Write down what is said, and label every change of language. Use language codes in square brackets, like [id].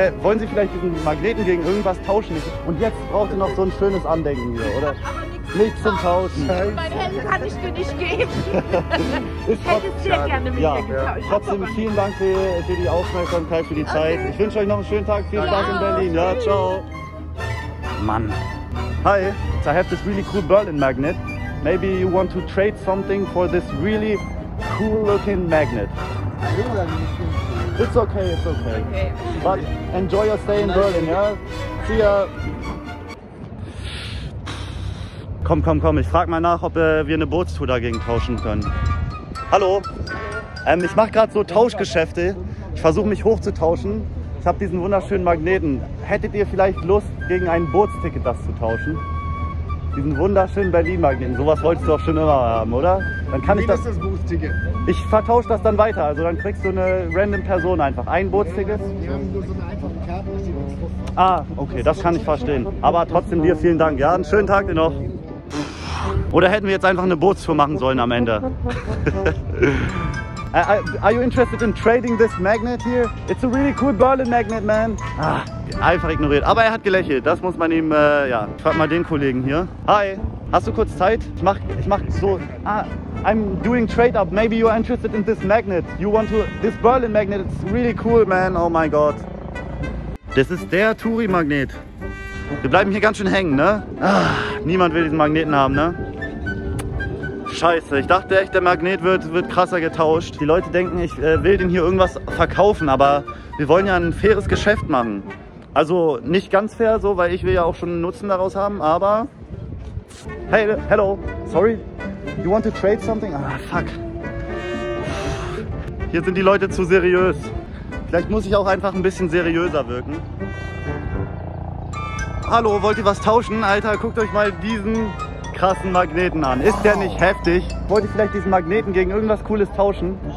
[de] Wollen Sie vielleicht diesen Magneten gegen irgendwas tauschen? Und jetzt braucht ihr noch so ein schönes Andenken hier, oder? Nicht zum Tauschen. Mein Handy kann ich dir nicht geben. Ich hätte sehr gerne mit dir getauscht. Trotzdem vielen Dank für die Aufmerksamkeit, für die Zeit. Okay. Ich wünsche euch noch einen schönen Tag. Viel Spaß in Berlin. Ja, ciao. Mann. [en] Hi, I have this really cool Berlin magnet. Maybe you want to trade something for this really cool looking magnet. It's okay, it's okay. Okay. But enjoy your stay in Berlin, ja? See ya. [de] Komm, ich frag mal nach, ob wir eine Bootstour dagegen tauschen können. Hallo? Ich mach gerade so Tauschgeschäfte. Ich versuche mich hochzutauschen. Ich habe diesen wunderschönen Magneten. Hättet ihr vielleicht Lust, gegen ein Bootsticket das zu tauschen? Diesen wunderschönen Berlin-Magneten. Sowas wolltest du doch schon immer haben, oder? Dann kann ich das. Wie ist das Bootsticket? Ich vertausche das dann weiter. Also dann kriegst du eine random Person einfach. Ein Bootsticket? Wir haben nur so eine einfache Karte, die wir uns posten. Ah, okay, das kann ich verstehen. Aber trotzdem dir vielen Dank. Ja, einen schönen Tag dir noch. Oder hätten wir jetzt einfach eine Bootstour machen sollen am Ende? [en] Are you interested in trading this magnet here? It's a really cool Berlin magnet, man. [de] Einfach ignoriert. Aber er hat gelächelt. Das muss man ihm, Ich frag mal den Kollegen hier. Hi, hast du kurz Zeit? Ich mach so... [en] I'm doing trade-up. Maybe you are interested in this magnet. You want to... This Berlin magnet, it's really cool, man. Oh my God. [de] Das ist der Touri-Magnet. Wir bleiben hier ganz schön hängen, ne? Niemand will diesen Magneten haben, ne? Scheiße, ich dachte echt, der Magnet wird krasser getauscht. Die Leute denken, ich will den hier irgendwas verkaufen, aber wir wollen ja ein faires Geschäft machen. Also nicht ganz fair so, weil ich will ja auch schon einen Nutzen daraus haben, aber... [en] Hey, hello, sorry, you want to trade something? Ah, fuck. [de] Hier sind die Leute zu seriös. Vielleicht muss ich auch einfach ein bisschen seriöser wirken. Hallo, wollt ihr was tauschen? Alter, guckt euch mal diesen krassen Magneten an. Ist der nicht heftig? Wollt ihr vielleicht diesen Magneten gegen irgendwas Cooles tauschen?